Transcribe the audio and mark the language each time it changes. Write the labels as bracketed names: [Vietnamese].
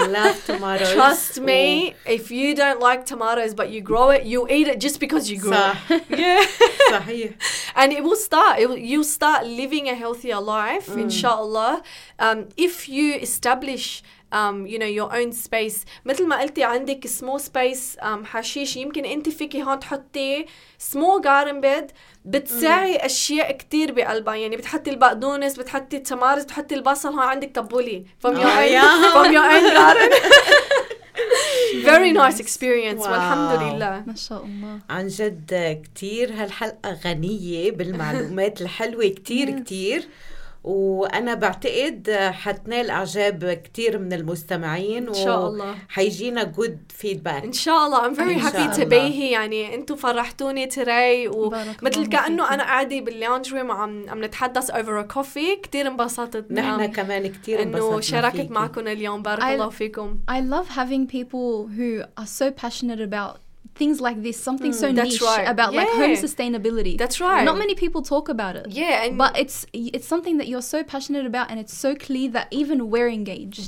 [English] I love tomatoes. Trust me, if you don't like tomatoes, but you grow it, you eat it just because you grew it. And it will start. You'll start living a healthier life, inshallah, if you establish you know, your own space. [Arabic] مثل ما قلتي عندك small space حشيش يمكن أنت فيكي هون تحطي small garden bed بتساعي أشياء كتير بقلبها. يعني بتحطي البقدونس, بتحطي التمارز, بتحطي البصل, هون عندك طبولي [English] from your own garden. Very nice experience. [Arabic] والحمد لله ما شاء الله. عن جد كتير هالحلقة غنية بالمعلومات الحلوة كتير كتير, وأنا بعتقد حتنال أعجاب كتير من المستمعين إن شاء الله, وحيجينا [English] good feedback [Arabic] إن شاء الله. [English] I'm very happy to be here. [Arabic] يعني أنتوا فرحتوني تري, ومثل كأنه أنا قاعدة باللونج روم عم نتحدث [English] over a coffee. [Arabic] كتير انبسطت, نحن كمان كتير انبسطنا أنه شاركت معكم اليوم. بارك الله فيكم. [English] I love having people who are so passionate about things like this, something so niche about like home sustainability. That's right. Not many people talk about it. Yeah. And but it's something that you're so passionate about, and it's so clear that even we're engaged.